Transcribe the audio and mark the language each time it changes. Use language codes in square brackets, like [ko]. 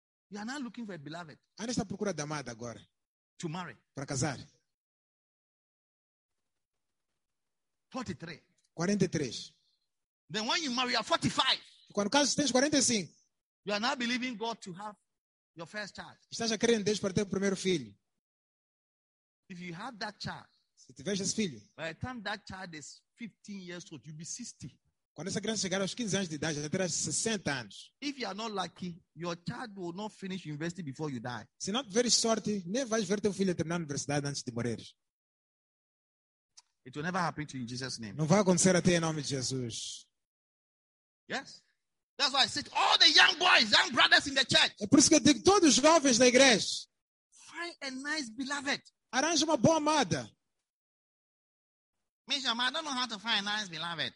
[en] You are now looking for a beloved. [pt] Ainda está procurando amada agora. [en] To marry. [pt] Para casar. [en] 43. [pt] 43. [en] Then when you marry, you are 45. [pt] Quando casas, tens 45. [en] You are now believing God to have your first child. [pt] Estás a crer em Deus para ter o primeiro filho. [en] If you have that child. [pt] Se tiveres esse filho. [en] By the time that child is 15 years old, you'll be 60. [pt] Quando essa criança chegar aos 15 anos de idade, já terá 60 anos. [en] If you are not lucky, your child will not finish university before you die. [pt] Se não tiveres sorte, nem vais ver teu filho terminar a universidade antes de morrer. [en] It will never happen to you in Jesus' name. [pt] Não vai acontecer até em nome de Jesus. [en] Yes. That's why I say all the young boys, young brothers in the church. [pt] É por isso que eu digo todos os jovens da igreja. [en] Find a nice beloved. [pt] Arranje uma boa amada. [en] Miss Yama, I don't know how to find a nice beloved.